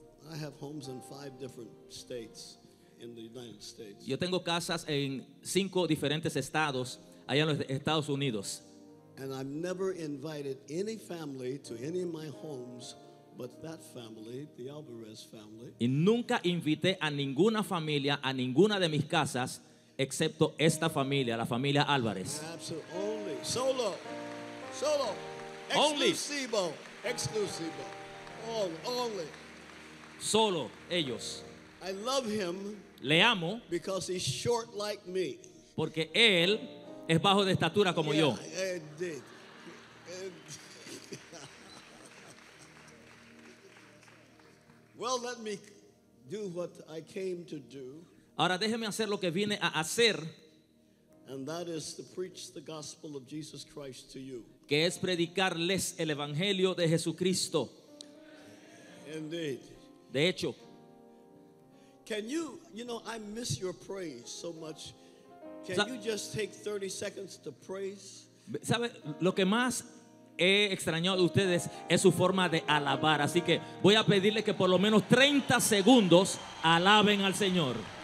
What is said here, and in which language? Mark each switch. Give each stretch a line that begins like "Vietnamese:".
English: I have homes in 5 different states in the United States.
Spanish: Yo tengo casas en 5 diferentes estados allá en los Estados Unidos.
English: And I've never invited any family to any of my homes but that family, the Alvarez family.
Spanish: Y nunca invité a ninguna familia a ninguna de mis casas excepto esta familia, la familia Álvarez.
English: Absolutely. Only.
Spanish: Solo. Solo.
English: Only.
Spanish: Exclusivo. Exclusivo.
English: Only.
Spanish: Solo ellos.
English: I love him.
Spanish: Le amo.
English: Because he's short like me.
Spanish: Porque él es bajo de estatura como yeah, yo.
English: Indeed. Well, let me do what I came to do.
Spanish: Ahora déjeme hacer lo que vine a hacer.
English: And that is to preach the gospel of Jesus Christ to you.
Spanish: Que es predicarles el evangelio de Jesucristo.
English: Indeed.
Spanish: De hecho.
English: Can you, you know, I miss your praise so much. Can you just take 30 seconds to praise?
Spanish: ¿Sabe lo que más he extrañado de ustedes es su forma de alabar? Así que voy a pedirle que por lo menos 30 segundos alaben al Señor.